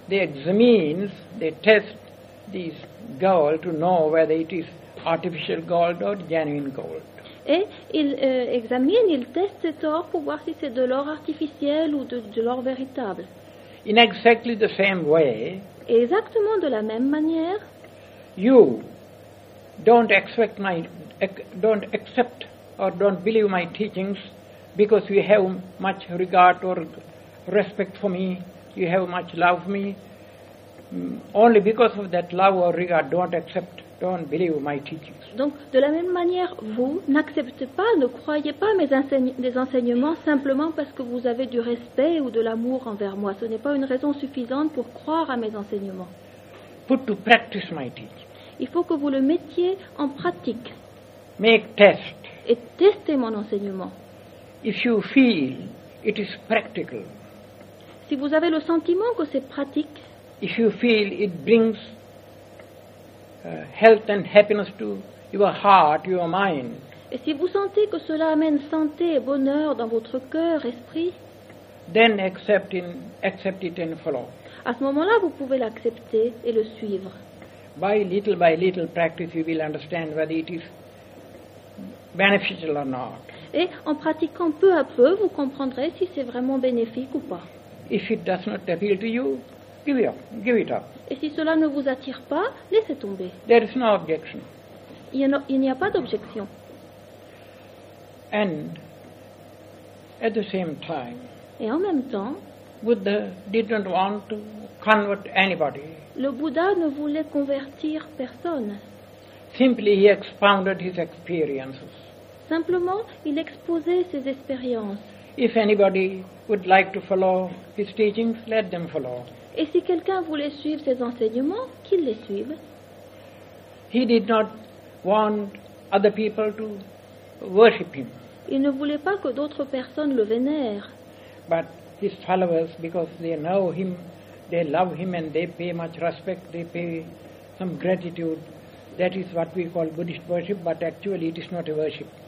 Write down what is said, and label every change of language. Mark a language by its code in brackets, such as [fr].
[en] They examine, they test this gold to know whether it is artificial gold or genuine gold. [fr] Et ils examinent, ils testent cet or pour voir si c'est de l'or artificiel ou de l'or véritable. [en] In exactly the same way. [fr] Exactement de la même manière. [en] You don't expect my, don't accept or don't believe my teachings because you have much regard or respect for me, you have much love for me. Only because of that love or regard, don't accept, don't believe my teachings. [fr] Donc, de la même manière, vous n'acceptez pas, ne croyez pas mes enseignements simplement parce que vous avez du respect ou de l'amour envers moi. Ce n'est pas une raison suffisante pour croire à mes enseignements. [en] Put to practice my teachings. [fr] Il faut que vous le mettiez en pratique. [en] Make test. [fr] Et testez mon enseignement. [en] If you feel it is practical. [fr] Si vous avez le sentiment que c'est pratique. [en] If you feel it brings health and happiness to your heart, your mind. [fr] Et si vous sentez que cela amène santé et bonheur dans votre cœur, esprit. [en] Then accept it and follow. [fr] À ce moment-là, vous pouvez l'accepter et le suivre. [en] By little practice, you will understand whether it is beneficial or not. [fr] Et en pratiquant peu à peu, vous comprendrez si c'est vraiment bénéfique ou pas. [en] If it does not appeal to you, Give it up. Give it up. [fr] Et si cela ne vous attire pas, laissez tomber. [en] There is no objection. [fr] Il n'y a pas d'objection. [en] And at the same time, [fr] et en même temps, [en] Buddha didn't want to convert anybody. [fr] Le Bouddha ne voulait convertir personne. [en] Simply he expounded his experiences. [fr] Simplement, il exposait ses expériences. [en] If anybody would like to follow his teachings, let them follow. [fr] Et si quelqu'un voulait suivre ses enseignements, qu'il les suive. [en] He did not want other people to worship him. [fr] Il ne voulait pas que d'autres personnes le vénèrent. [en] But his followers, because they know him, they love him and they pay much respect, they pay some gratitude. That is what we call Buddhist worship, but actually it is not a worship.